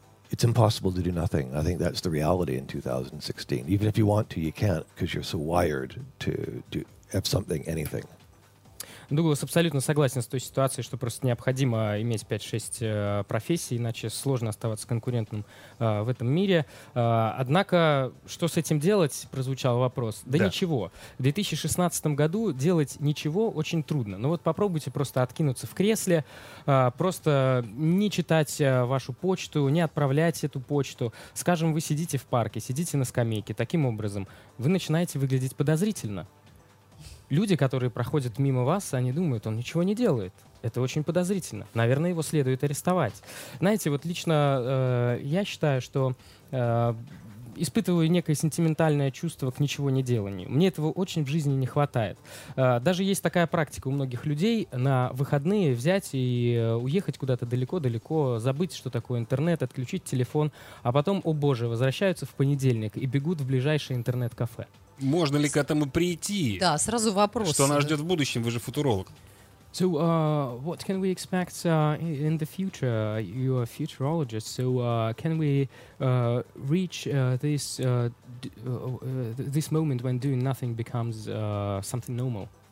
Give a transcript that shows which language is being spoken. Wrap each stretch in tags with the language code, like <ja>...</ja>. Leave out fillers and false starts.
<en>It's impossible to do nothing. I think that's the reality in 2016. Even if you want to, you can't, because you're so wired to do have something, anything.</en> <ru>Дуглас абсолютно согласен с той ситуацией, что просто необходимо иметь 5-6 профессий, иначе сложно оставаться конкурентным в этом мире. Однако, что с этим делать, прозвучал вопрос. Да ничего. В 2016 году делать ничего очень трудно. Но вот попробуйте просто откинуться в кресле, просто не читать вашу почту, не отправлять эту почту. Скажем, вы сидите в парке, сидите на скамейке. Таким образом, вы начинаете выглядеть подозрительно. Люди, которые проходят мимо вас, они думают, он ничего не делает. Это очень подозрительно. Наверное, его следует арестовать. Знаете, вот лично я считаю, что испытываю некое сентиментальное чувство к ничего не деланию. Мне этого очень в жизни не хватает. Даже есть такая практика у многих людей на выходные взять и уехать куда-то далеко-далеко, забыть, что такое интернет, отключить телефон, а потом, о боже, возвращаются в понедельник и бегут в ближайшее интернет-кафе. Можно ли к этому прийти? Да, сразу вопрос. Что нас ждет в будущем? Вы же футуролог.</ru> <en>So, what can we expect in the future? You are a futurologist. So, can we reach this moment when doing nothing becomes something normal?</en>